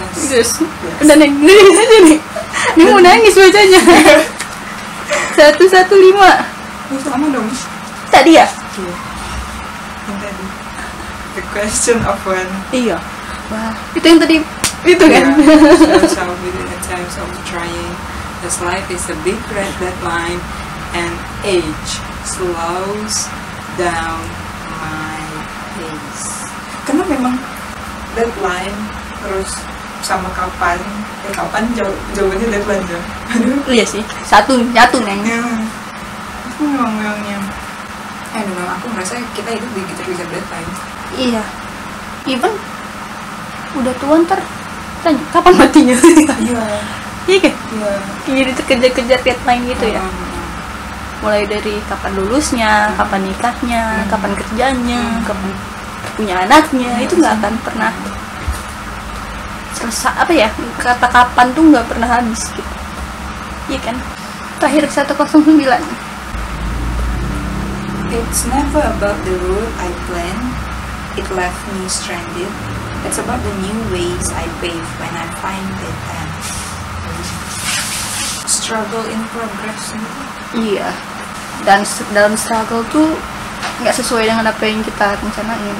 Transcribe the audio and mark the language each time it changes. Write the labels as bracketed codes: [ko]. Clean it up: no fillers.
[en] Yes. [id] Dan yang ini aja nih. Ini mau nangis bacanya. 115. Sama dong. Tadi ya? Yang tadi. [en] The question of when. [id] Iya. Wah, itu yang tadi itu kan. [en] So within the times of trying, this life is a big red deadline, and age slows down my pace. [id] Karena memang deadline terus sama kapan? Kapan jawabannya deadline ya? Aduh. Iya sih. Satu neng. Aku ngomongnya. Memang aku merasa kita hidup di gitu bisa deadline. Iya. Even udah tua ntar tanya kapan matinya. Iya jadi terkejar-kejar deadline gitu ya, mulai dari kapan lulusnya, kapan nikahnya, kapan kerjanya, kapan punya anaknya, itu nggak akan pernah selesai. Apa ya, kata kapan tuh nggak pernah habis gitu. Iya kan, terakhir 109. [en] It's never about the route I plan, it left me stranded. It's about the new ways I pave when I find it and struggle in progress. [id] Iya. Dan dalam struggle tuh nggak sesuai dengan apa yang kita rencanain.